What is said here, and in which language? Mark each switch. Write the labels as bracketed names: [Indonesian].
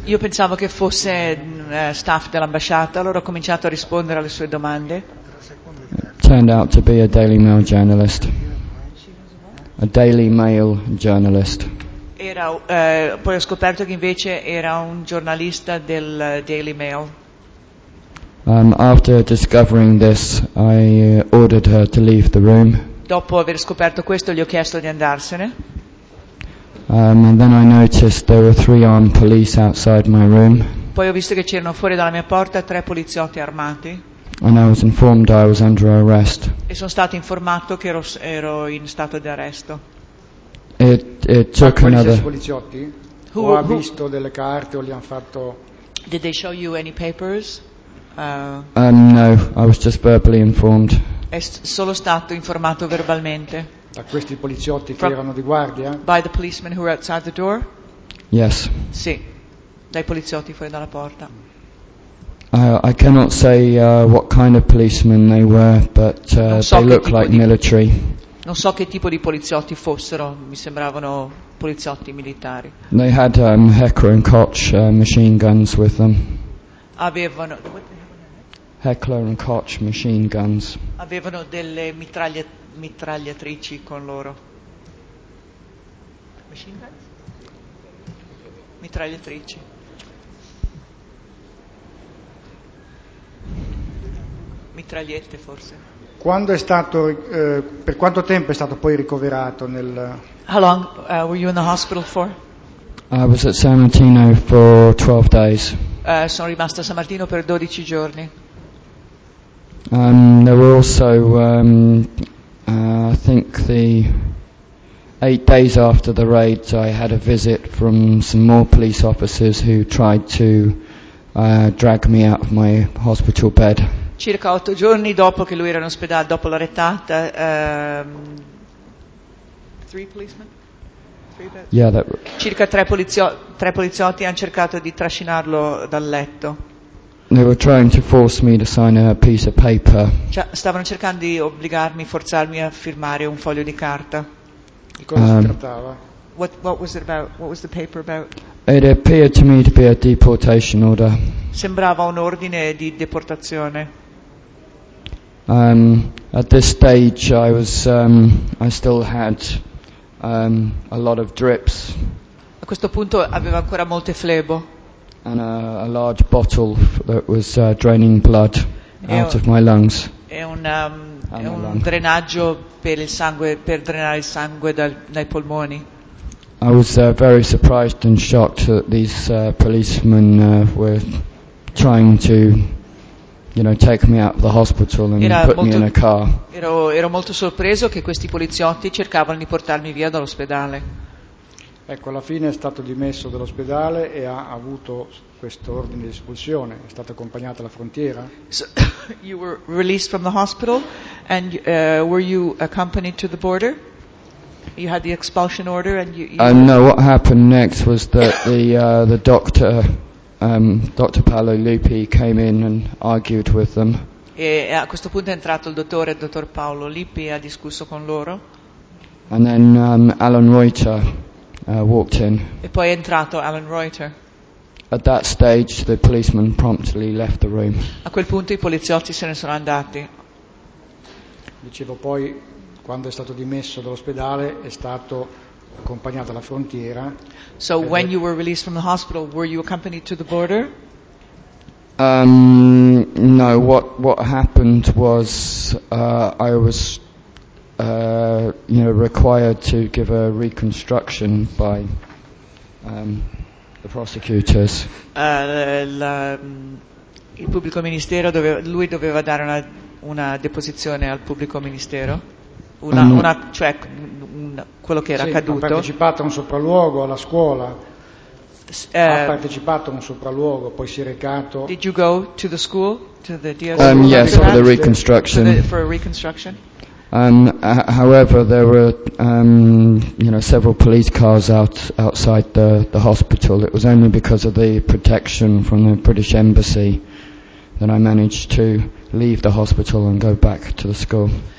[Italian] Io pensavo che fosse staff dell'ambasciata, allora ho cominciato a rispondere alle sue domande. [English] It turned out to be a Daily Mail journalist. A Daily Mail journalist. [Italian] Era poi ho scoperto che invece era un giornalista del Daily Mail. [English] After discovering this, I ordered her to leave the room. [Italian] dopo aver scoperto questo gli ho chiesto di andarsene. [English] And then I noticed there were three armed police outside my room. [Italian] Poi ho visto che c'erano fuori dalla mia porta tre poliziotti armati. [English] And I was informed I was under arrest. [Italian] E sono stato informato che ero in stato di arresto. [English] It took another. [Italian] Poliziotti? Who ha visto delle carte o gli hanno fatto? [English] Did they show you any papers? No, I was just verbally informed. [Italian] È solo stato informato verbalmente. Da questi poliziotti che erano di guardia? [English] By the policemen who were outside the door? Yes. [Italian] Sì, dai poliziotti fuori dalla porta. [English] I cannot say what kind of policemen they were, but they look like military. [Italian] Non so che tipo di poliziotti fossero, mi sembravano poliziotti militari. [English] They had Hecker and Koch machine guns with them. [Italian] Avevano [English] Hecker and Koch machine guns. [Italian] Avevano delle mitragliatrici con loro. Machine guns? Mitragliatrici. Mitragliette forse. Quando è stato per quanto tempo è stato poi ricoverato nel? [English] How long were you in the hospital for? I was at San Martino for 12 days. [Italian] Sono rimasto a San Martino per 12 giorni. [English] There were also I think the 8 days after the raid I had a visit from some more police officers who tried to drag me out of my hospital bed. [Italian] Circa 8 giorni dopo che lui era in ospedale dopo la retata, circa tre poliziotti hanno cercato di trascinarlo dal letto. [English] They were trying to force me to sign a piece of paper. [Italian] Cioè, stavano cercando di obbligarmi, forzarmi a firmare un foglio di carta. Di cosa si trattava? [English] What was it about? What was the paper about? It appeared to me to be a deportation order. [Italian] Sembrava un ordine di deportazione. [English] At this stage I was I still had a lot of drips. [Italian] A questo punto avevo ancora molte flebo. [English] And a large bottle that was draining blood out of my lungs. [Italian] È un drenaggio per il sangue, per drenare il sangue dai polmoni. [English] I was very surprised and shocked that these policemen were trying to, you know, take me out of the hospital and put me in a car. [Italian] Ero molto sorpreso che questi poliziotti cercavano di portarmi via dall'ospedale. Ecco, alla fine è stato dimesso dall'ospedale e ha avuto questo ordine di espulsione. È stato accompagnato alla frontiera? [English] So, you were released from the hospital and were you accompanied to the border? You had the expulsion order and you No, what happened next was that the doctor, Dr. Paolo Lupi, came in and argued with them. [Italian] E a questo punto è entrato il dottor Paolo Lupi e ha discusso con loro. [English] And then Alan Reuter walked in. [Italian] E poi è entrato Alan Reuter. [English] At that stage, the policeman promptly left the room. [Italian] A quel punto i poliziotti se ne sono andati. Dicevo poi, quando è stato dimesso dall'ospedale, è stato accompagnato alla frontiera. [English] So when you were released from the hospital, were you accompanied to the border? No, what happened was I was required to give a reconstruction by the prosecutors. [Italian] Il pubblico ministero doveva dare una deposizione al pubblico ministero. Quello che era accaduto. Ha partecipato a un sopralluogo alla scuola. Ha partecipato a un sopralluogo, poi si è recato. [English] Did you go to the school, to the DSO? Yes, for the reconstruction. For a reconstruction. However, there were, several police cars outside the hospital. It was only because of the protection from the British Embassy that I managed to leave the hospital and go back to the school.